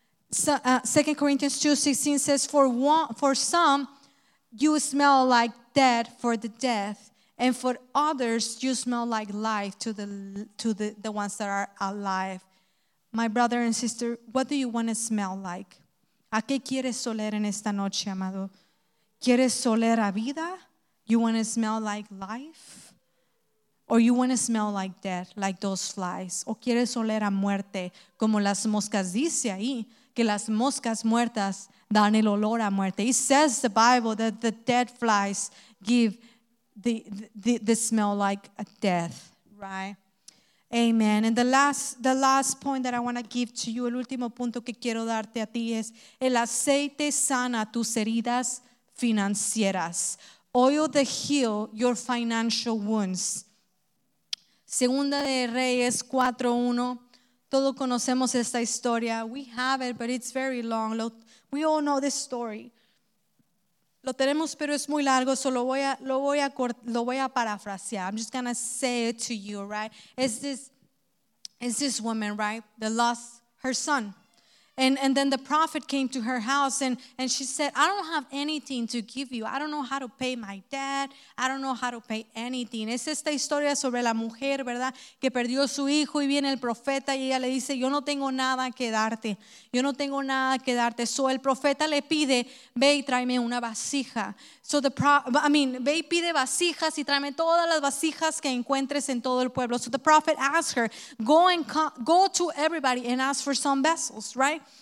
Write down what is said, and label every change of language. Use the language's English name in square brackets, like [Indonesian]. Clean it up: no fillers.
[English] Second Corinthians 2:16 says, for some you smell like death for the death, and for others you smell like life to the ones that are alive. My brother and sister, what do you want to smell like? [Spanish] ¿A qué quieres oler en esta noche, amado? ¿Quieres oler a vida? [English] You want to smell like life? Or you want to smell like death, like those flies? [Spanish] ¿O quieres oler a muerte, como las moscas dice ahí? Que las moscas muertas dan el olor a muerte. [English] It says the Bible that the dead flies give the smell like a death, right? [Spanish] Amen. [English] And the last point that I want to give to you, [Spanish] el último punto que quiero darte a ti es, el aceite sana tus heridas financieras. [English] Oil to heal your financial wounds. [Spanish] Segunda de Reyes 4:1. Todos conocemos esta historia. [English] We have it, but it's very long. We all know this story. [Spanish] Lo tenemos, pero es muy largo. Solo voy a parafrasear. [English] I'm just gonna say it to you, right? It's this woman, right? That lost her son, and then the prophet came to her house, and she said, "I don't have anything to give you. I don't know how to pay my dad. I don't know how to pay anything." [Spanish] Es esta historia sobre la mujer, ¿verdad? Que perdió su hijo y viene el profeta y ella le dice, "Yo no tengo nada que darte. Yo no tengo nada que darte." So el profeta le pide, "Ve y tráeme una vasija." So the ve y pide vasijas y tráeme todas las vasijas que encuentres en todo el pueblo. [English] So the prophet asked her, go to everybody and ask for some vessels, right?